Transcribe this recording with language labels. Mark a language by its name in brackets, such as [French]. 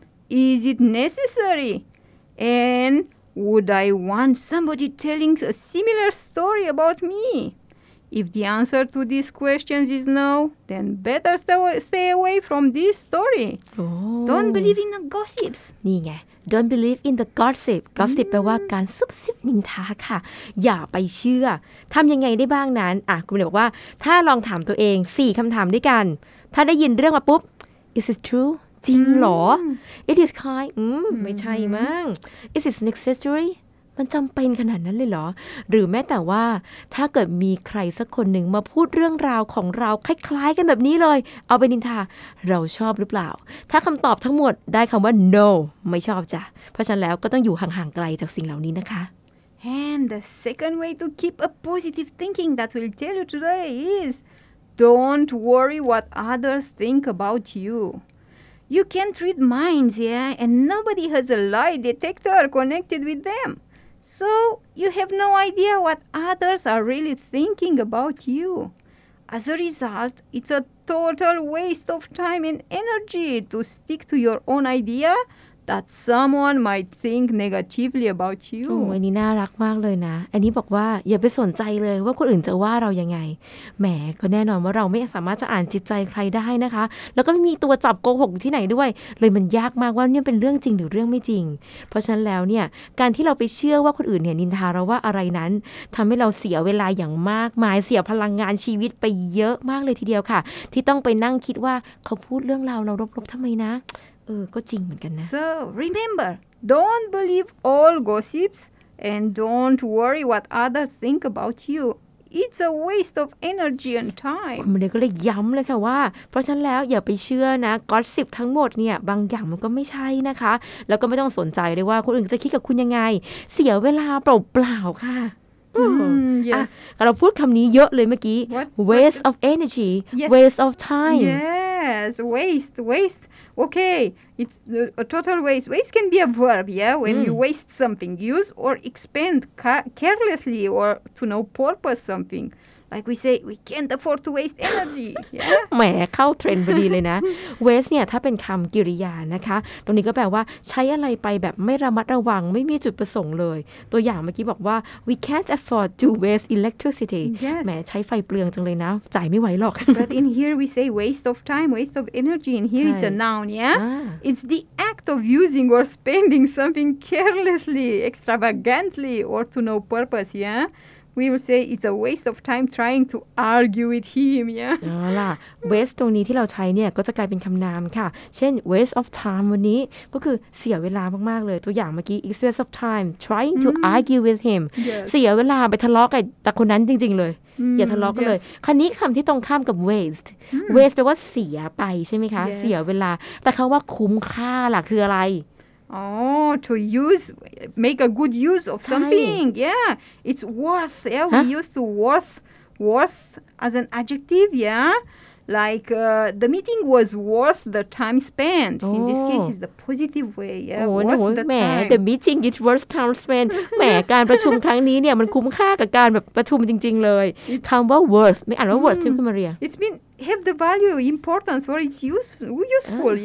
[English] Is it necessary? And would I want somebody telling a similar story about me? If the answer to these questions is no, then better stay away from this story. Oh. Don't believe in the gossips. [Thai] นี่ไง [English] Don't believe in the gossip. [Thai] Gossip แปลว่าการซุบซิบนินทาค่ะอย่าไปเชื่อทำยังไงได้บ้างนั้นอ่ะคุณเลยบอกว่าถ้าลองถามตัวเอง4คำถามด้วยกันถ้าได้ยินเรื่องมาปุ๊บ [English] Is it true [Thai] จริงหรอ [English] It is kind [Thai] ไม่ใช่มั้ง [English] Is it necessary [Thai] มันจำเป็นขนาดนั้นเลยเหรอหรือแม้แต่ว่าถ้าเกิดมีใครสักคนหนึ่งมาพูดเรื่องราวของเราคล้ายๆกันแบบนี้เลยเอาไปนินทาเราชอบหรือเปล่าถ้าคำตอบทั้งหมดได้คำว่า no ไม่ชอบจ้ะเพราะฉะนั้นแล้วก็ต้องอยู่ห่างๆไกลจากสิ่งเหล่านี้นะคะ [English] And the second way to keep a positive thinking that we'll tell you today is don't worry what others think about youYou can't read minds, yeah? And nobody has a lie detector connected with them. So you have no idea what others are really thinking about you. As a result, it's a total waste of time and energy to stick to your own idea that someone might think negatively about you [Thai] อันนี้น่ารักมากเลยนะอันนี้บอกว่าอย่าไปสนใจเลยว่าคนอื่นจะว่าเรายังไงแหมก็แน่นอนว่าเราไม่สามารถจะอ่านจิตใจใครได้นะคะแล้วก็ไม่มีตัวจับโกหกอยู่ที่ไหนด้วยเลยมันยากมากว่าเนี่ยเป็นเรื่องจริงหรือเรื่องไม่จริงเพราะฉะนั้นแล้วเนี่ยการที่เราไปเชื่อว่าคนอื่นเนี่ยนินทาเราว่าอะไรนั้นทำให้เราเสียเวลาอย่างมากมายเสียพลังงานชีวิตไปเยอะมากเลยทีเดียวค่ะที่ต้องไปนั่งคิดว่าเขาพูดเรื่องราวเราลบๆทำไมนะก็จริงเหมือนกันนะ [English] So remember don't believe all gossips and don't worry what others think about you it's a waste of energy and time [Thai] คุณเมย์ก็เลยย้ำเลยค่ะว่าเพราะฉะนั้นแล้วอย่าไปเชื่อนะกอสซิปทั้งหมดเนี่ยบางอย่างมันก็ไม่ใช่นะคะแล้วก็ไม่ต้องสนใจเลยว่าคนอื่นจะคิดกับคุณยังไงเสียเวลาเปล่าๆค่ะ [English] yes [Thai] เราพูดคำนี้เยอะเลยเมื่อกี้ [English] waste of energy waste of time yes waste okay it's a total waste can be a verb yeah when you waste something use or expend carelessly or to no purpose something like we say we can't afford to waste energy yeah [Thai] แหมเข้าเทรนด์พอดีเลยนะ waste เนี่ยถ้าเป็นคำกริยานะคะตรงนี้ก็แปลว่าใช้อะไรไปแบบไม่ระมัดระวังไม่มีจุดประสงค์เลยตัวอย่างเมื่อกี้บอกว่า [English] we can't afford to waste electricity [Thai] แหมใช้ไฟเปลืองจังเลยนะจ่ายไม่ไหวหรอก [English] but in here we say waste of time waste of energy in here it's a noun yeah it's the act of using or spending something carelessly extravagantly or to no purpose yeahWe will say it's a waste of time trying to argue with him, yeah. [Thai] เอาล่ะ waste ตรงนี้ที่เราใช้เนี่ยก็จะกลายเป็นคำนามค่ะเช่น waste of time วันนี้ก็คือเสียเวลามากๆเลยตัวอย่างเมื่อกี้ [English] it's waste of time trying to argue with him yes. [Thai] เสียเวลาไปทะเลาะกับแต่คนนั้นจริงๆเลยอย่าทะเลาะกันเลยคราวนี้คำที่ตรงข้ามกับ waste waste แปลว่าเสียไปใช่ไหมคะ [English] yes. [Thai] เสียเวลาแต่คำว่าคุ้มค่าล่ะคืออะไร [English] Oh, to use, make a good use of something. Yeah, it's worth. Yeah, we use to worth as an adjective. Yeah, like the meeting was worth the time spent. Oh. In this case, it's the positive way. Yeah, oh, worth no, the time. The meeting is worth time spent. [Thai] แหมการประชุมครั้งนี้เนี่ยมันคุ้มค่ากับการแบบประชุมจริงๆเลยคำว่า worth ไม่อ่านว่า worth ใช่ไหมคุณมาเรีย [English] It's been have the value, importance, or it's useful.